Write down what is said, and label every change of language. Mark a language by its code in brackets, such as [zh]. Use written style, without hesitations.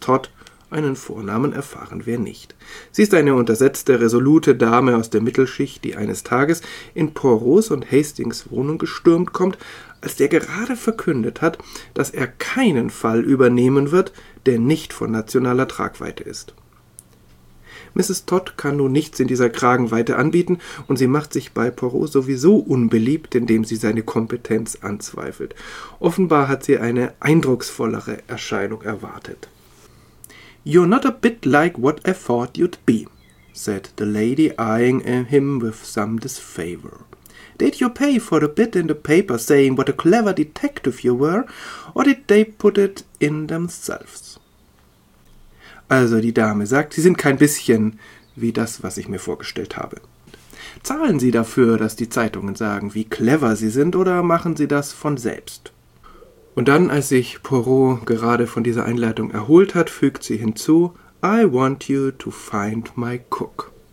[de] Todd, einen Vornamen erfahren wir nicht. Sie ist eine untersetzte, resolute Dame aus der Mittelschicht, die eines Tages in Poirots und Hastings Wohnung gestürmt kommt, als der gerade verkündet hat, dass er keinen Fall übernehmen wird, der nicht von nationaler Tragweite ist. Mrs. Todd kann nun nichts in dieser Kragenweite anbieten und sie macht sich bei Poirot sowieso unbeliebt, indem sie seine Kompetenz anzweifelt. Offenbar hat sie eine eindrucksvollere Erscheinung erwartet. [en] "You're not a bit like what I thought you'd be," said the lady, eyeing him with some disfavor. "Did you pay for the bit in the paper saying what a clever detective you were, or did they put it in themselves?" [de] Also die Dame sagt, sie sind kein bisschen wie das, was ich mir vorgestellt habe. Zahlen sie dafür, dass die Zeitungen sagen, wie clever sie sind, oder machen sie das von selbst? Und dann, als sich Poirot gerade von dieser Einleitung erholt hat, fügt sie hinzu, [en] "I want you to find my cook."